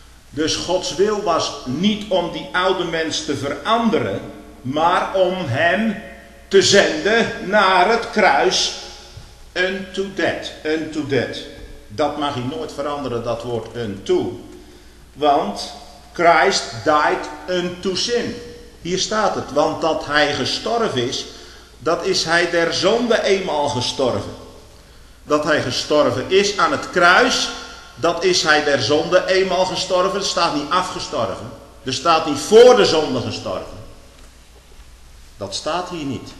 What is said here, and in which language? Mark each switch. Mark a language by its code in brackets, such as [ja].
[nl] Dus Gods wil was niet om die oude mens te veranderen, maar om hem te zenden naar het kruis. [en] Unto death, unto death. [nl] Dat mag hij nooit veranderen, dat woord unto. Want [en] Christ died unto sin. [nl] Hier staat het, want dat hij gestorven is, dat is hij der zonde eenmaal gestorven. Dat hij gestorven is aan het kruis, dat is hij der zonde eenmaal gestorven. Er staat niet afgestorven, er staat niet voor de zonde gestorven. Dat staat hier niet.